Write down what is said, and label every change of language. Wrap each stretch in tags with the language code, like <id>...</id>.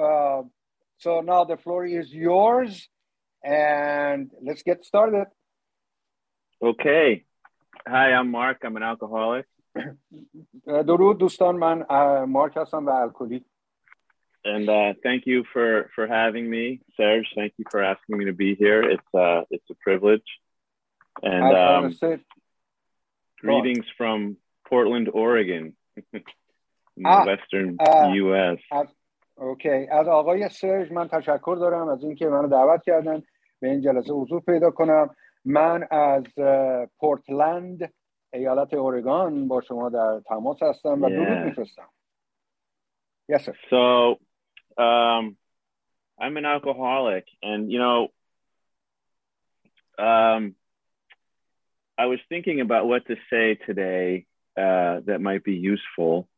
<en>So now the floor is yours and let's get started. Okay. Hi, I'm Mark. I'm an alcoholic.</en> <fa>درود دوستان، من مارک هستم و الکلی.</fa> <en>And thank you for having me, Serge. Thank you for asking me to be here. It's a privilege. And greetings from Portland, Oregon, in the western US.</en> <fa>از آقای سرژ من تشکر دارم از اینکه منو دعوت کردن به این جلسه حضور پیدا کنم. من از پورتلند، ایالت اورگان با شما در تماس هستم و درود می‌فرستم.</fa> <en>Yes, sir. So I'm an alcoholic and you know I was thinking about what to say today that might be useful.</en>